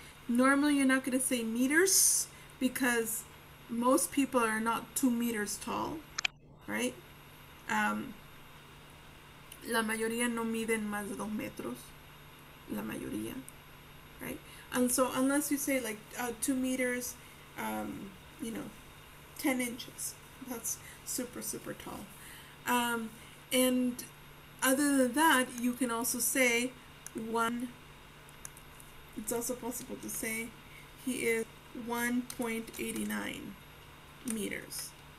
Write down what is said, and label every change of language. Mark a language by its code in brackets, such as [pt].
[en] Normally, you're not going to say meters because most people are not 2 meters tall, right? [es] La mayoría no miden más de 2 metros. La mayoría, [en] right? And so, unless you say like 2 meters, you know, 10 inches, that's super, super tall. And other than that, you can also say one, it's also possible to say he is 1.89 meters.